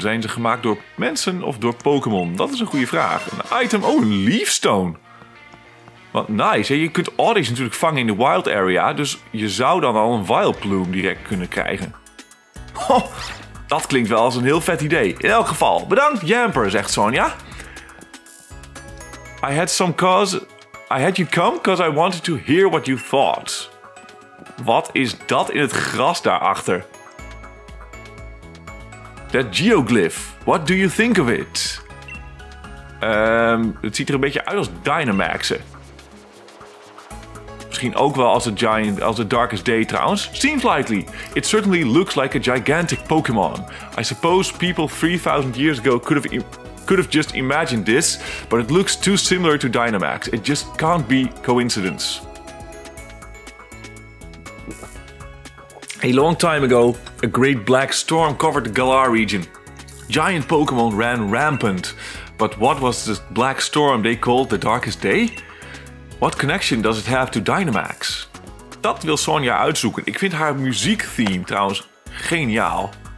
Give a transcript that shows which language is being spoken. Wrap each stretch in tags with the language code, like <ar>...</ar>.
<nl>Zijn ze gemaakt door mensen of door Pokémon? Dat is een goede vraag. Een item. Oh, een Leafstone. Wat nice. Je kunt Oddish natuurlijk vangen in de wild area. Dus je zou dan al een Vileplume direct kunnen krijgen. Ho! Dat klinkt wel als een heel vet idee. In elk geval, bedankt Yamper, zegt Sonja.</nl> <en>I had you come because I wanted to hear what you thought.</en> <nl>Wat is dat in het gras daarachter?</nl> <en>That geoglyph, what do you think of it?</en> <nl>Het ziet er een beetje uit als Dynamaxen. Misschien ook wel als the Darkest Day trouwens.</nl> <en>Seems likely. It certainly looks like a gigantic Pokémon. I suppose people 3000 years ago could have just imagined this, but it looks too similar to Dynamax. It just can't be coincidence. A long time ago, a great black storm covered the Galar region. Giant Pokémon ran rampant. But what was this black storm they called the Darkest Day? What connection does it have to Dynamax?</en> <nl>Dat wil Sonja uitzoeken. Ik vind haar muziektheme trouwens geniaal.</nl>